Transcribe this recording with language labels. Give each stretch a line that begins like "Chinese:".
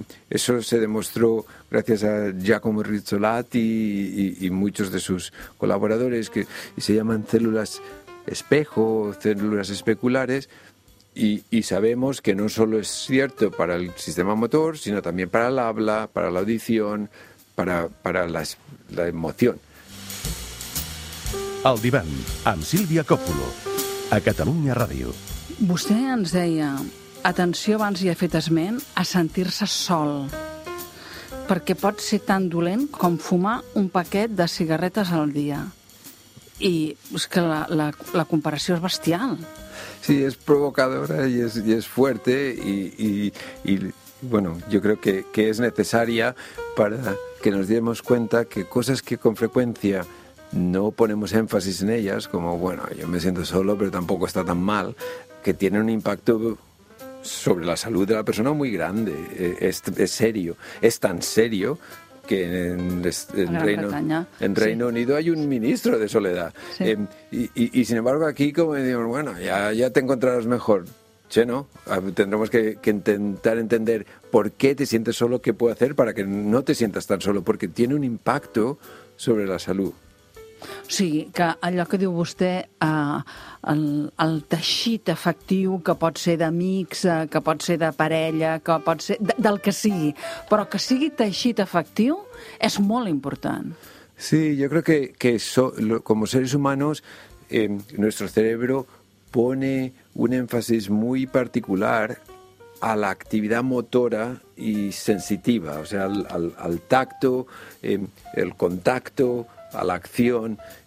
Spanish: Eso se demostró gracias a Giacomo Rizzolatti y muchos de sus colaboradores, que se llaman células espejo, células especulares. Y sabemos que no solo es cierto para el sistema motor, sino también para el habla, para la audición, para la emoción.
Catalan: El divan amb Sílvia Còpulo, a Catalunya Ràdio. Vostè ens deia, atenció abans ja fet esment, a sentir-se sol, perquè pot ser tan dolent com fumar un paquet de cigarretes al dia.
Spanish: Y es que la comparación es bestial. Sí, es provocadora y es fuerte y bueno, yo creo que es necesaria para que nos demos cuenta que cosas que con frecuencia no ponemos énfasis en ellas, como bueno, yo me siento solo pero tampoco está tan mal, que tienen un impacto sobre la salud de la persona muy grande, es serio, es tan serio que en Reino Unido hay un ministro de soledad. Sí. Y sin embargo aquí como decimos, bueno, ya te encontrarás mejor. Che, ¿no? Tendremos que intentar entender por qué te sientes solo, qué puedo hacer para que no te sientas tan solo, porque tiene un impacto sobre la salud.
Catalan: O sigui, que allò que diu vostè, el teixit afectiu, que pot ser d'amics, que pot ser de parella, que pot ser del que sigui, però que sigui teixit afectiu és molt important.
Spanish: Sí, yo creo que como seres humanos, nuestro cerebro pone un énfasis muy particular a la actividad motora y sensitiva, o sea, al tacto, el contacto, a la acción.